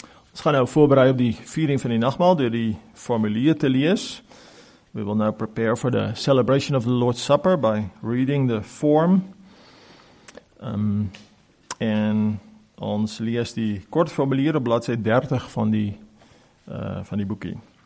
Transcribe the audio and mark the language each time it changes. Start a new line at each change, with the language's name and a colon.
Afrikaans: Ons gaan nou voorberei op die viering van die nagmaal deur die formulier te lees.
English: We will now prepare for the celebration of the Lord's Supper by reading the form.
Afrikaans: En ons lees die kort formulier op bladsy 30 van die boekie.